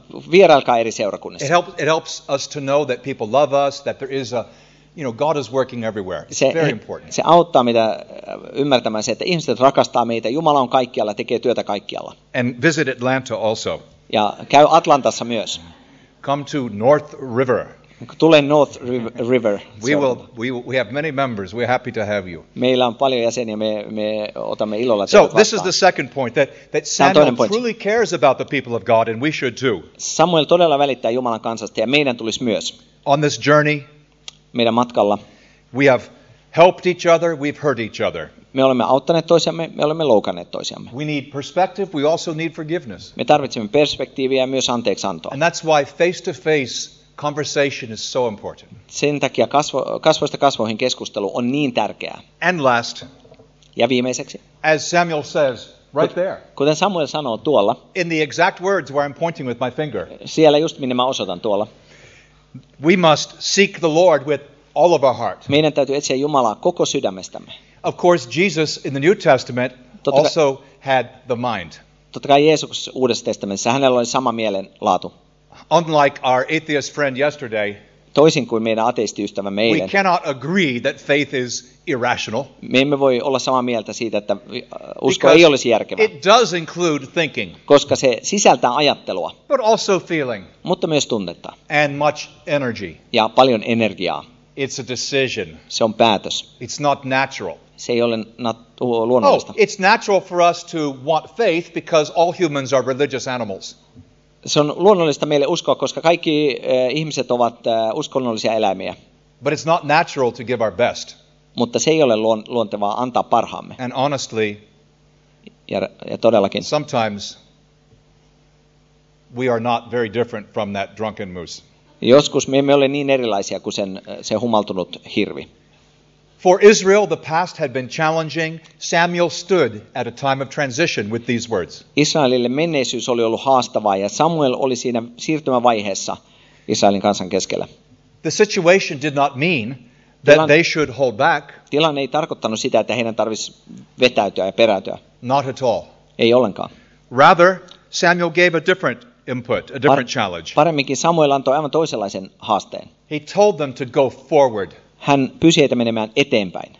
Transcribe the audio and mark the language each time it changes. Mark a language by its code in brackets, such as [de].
[fi] Vierailkaa eri seurakunnissa. [en] It helps us to know that people love us, that there is a, you know, God is working everywhere. It's very important. [fi] Se auttaa meitä ymmärtämään se, että ihmiset rakastaa meitä. Jumala on kaikkialla, tekee työtä kaikkialla. [en] And visit Atlanta also. [fi] Ja käy Atlantassa myös. [en] Come to North River. [fi] Tule North River. [en] We have many members. We're happy to have you. [fi] Meillä on paljon jäseniä. Me otamme ilolla teidät vastaan. [en] So this is the second point that Samuel truly cares about the people of God, and we should too. [fi] Samuel todella välittää Jumalan kansasta, ja meidän tulisi myös. [en] On this journey, [fi] meidän matkalla, [en] we have helped each other. We've hurt each other. [fi] Me olemme auttaneet toisiamme, me olemme loukanneet toisiamme. [en] We need perspective, we also need forgiveness. [fi] Me tarvitsemme perspektiiviä ja myös anteeksiantoa. [en] And that's why face to face conversation is so important. [fi] Sen takia kasvoista kasvoihin keskustelu on niin tärkeää. [en] And last. [fi] Ja viimeiseksi. [en] As Samuel says, right there. [fi] Kuten Samuel sanoo tuolla. [en] In the exact words where I'm pointing with my finger. [fi] Siellä just minne mä osoitan tuolla. [en] We must seek the Lord with all of our heart. [fi] Meidän täytyy etsiä Jumalaa koko sydämestämme. [en] Of course, Jesus in the New Testament also had the mind. [fi] Totta kai Jeesus Uudessa testamentissa hänellä oli sama mielenlaatu. [en] Unlike our atheist friend yesterday, [fi] toisin kuin meidän ateistiystävämme eilen, [en] we cannot agree that faith is irrational. [fi] Me emme voi olla samaa mieltä siitä, että usko ei olisi järkevää. [en] It does include thinking. [fi] Koska se sisältää ajattelua. [en] But also feeling. [fi] Mutta myös tunnetta. [en] And much energy. [fi] Ja paljon energiaa. [en] It's a decision. [fi] Se on päätös. [en] It's not natural. [fi] Se ei ole luonnollista. [en] Oh, it's natural for us to want faith because all humans are religious animals. [fi] Se on luonnollista meille uskoa, koska kaikki ihmiset ovat uskonnollisia eläimiä. [en] But it's not natural to give our best. [fi] Mutta se ei ole luontevaa antaa parhaamme. [en] And honestly, [fi] ja todellakin. [en] Sometimes we are not very different from that drunken moose. [fi] Joskus me emme ole niin erilaisia kuin se humaltunut hirvi. [en] For Israel, the past had been challenging. Samuel stood at a time of transition with these words. [fi] Israelille menneisyys oli ollut haastavaa ja Samuel oli siinä siirtymävaiheessa Israelin kansan keskellä. [en] The situation did not mean that they should hold back. [fi] Tilanne ei tarkoittanut sitä, että heidän tarvitsisi vetäytyä ja perääntyä. [en] Not at all. [fi] Ei ollenkaan. [en] Rather, Samuel gave a different input, a different challenge. [fi] Paremminkin Samuel antoi aivan toisenlaisen haasteen. [en] He told them to go forward. [fi] Hän pyysi heitä menemään eteenpäin.